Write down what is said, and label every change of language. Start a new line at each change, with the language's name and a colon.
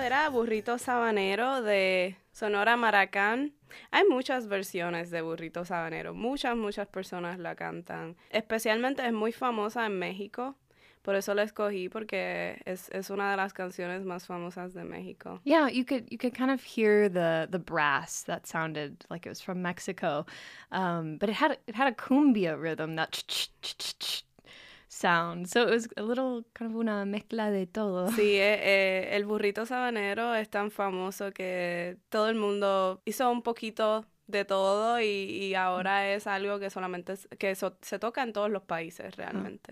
Spanish: Burrito Sabanero de Sonora Maracán. Hay muchas versiones de Burrito Sabanero. Muchas, muchas personas la cantan. Especialmente es muy famosa en México. Por eso la escogí, porque es una de las canciones más famosas de México.
English: Yeah, you could kind of hear the brass that sounded like it was from Mexico. But it had a cumbia rhythm, that ch-ch-ch-ch-ch sound. So it was a little kind of
Spanish: una mezcla de todo. Sí, el burrito sabanero es tan famoso que todo el mundo hizo un poquito de todo y ahora es algo que solamente se toca en todos los países realmente.